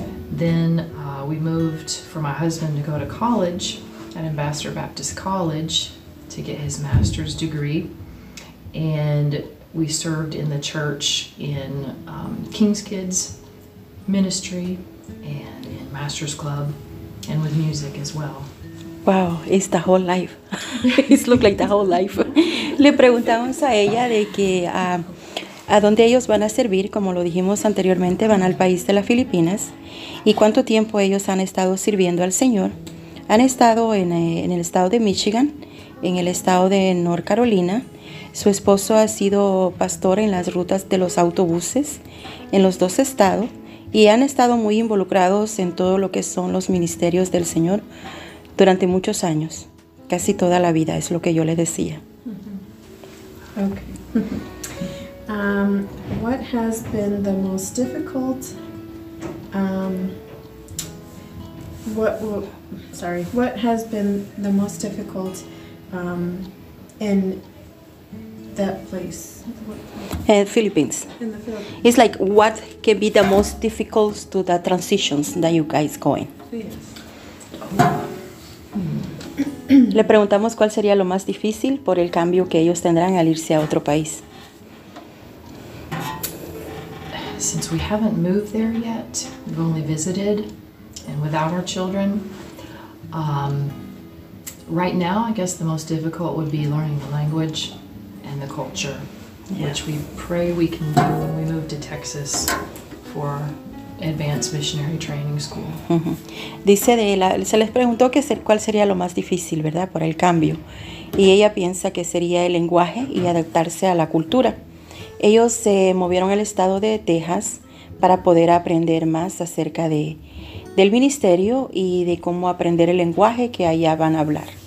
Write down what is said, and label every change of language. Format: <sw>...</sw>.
<en>Then we moved for my husband to go to college at Ambassador Baptist College to get his master's degree. And we served in the church in King's Kids ministry and in Master's Club and with music as well. Wow, it's the whole life. It's look like the whole life.</en> <es>Le preguntamos a ella de que a dónde ellos van a servir, como lo dijimos anteriormente, van al país de las Filipinas, y cuánto tiempo ellos han estado sirviendo al Señor. Han estado en el estado de Michigan, en el estado de North Carolina. Su esposo ha sido pastor en las rutas de los autobuses en los dos estados y han estado muy involucrados en todo lo que son los ministerios del Señor durante muchos años, casi toda la vida, es lo que yo le decía.</es> <en>Okay. What has been the most difficult? What has been the most difficult in that place? Philippines. In the Philippines. It's like what can be the most difficult to the transitions that you guys going?</en> <es>Le preguntamos cuál sería lo más difícil por el cambio que ellos tendrán al irse a otro país.</es> <en>Since we haven't moved there yet, we've only visited, and without our children, right now I guess the most difficult would be learning the language and the culture, yeah. Which we pray we can do when we move to Texas for Advanced Missionary Training School.</en> <es>Dice de la, se les preguntó que ser, cuál sería lo más difícil, ¿verdad? Por el cambio. Y ella piensa que sería el lenguaje y adaptarse a la cultura. Ellos se movieron al estado de Texas para poder aprender más acerca de, del ministerio y de cómo aprender el lenguaje que allá van a hablar.</es>